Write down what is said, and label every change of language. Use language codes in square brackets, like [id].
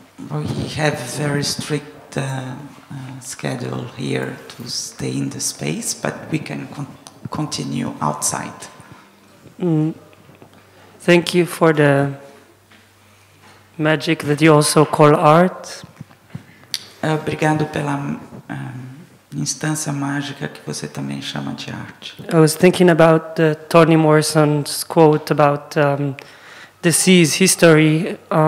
[en] We have very strict schedule here to stay in the space, but we can continue outside. Thank you for the magic that you also call art. [pt] Obrigado pela instância mágica que você também chama de arte. [en] I was thinking about Toni Morrison's quote about disease history.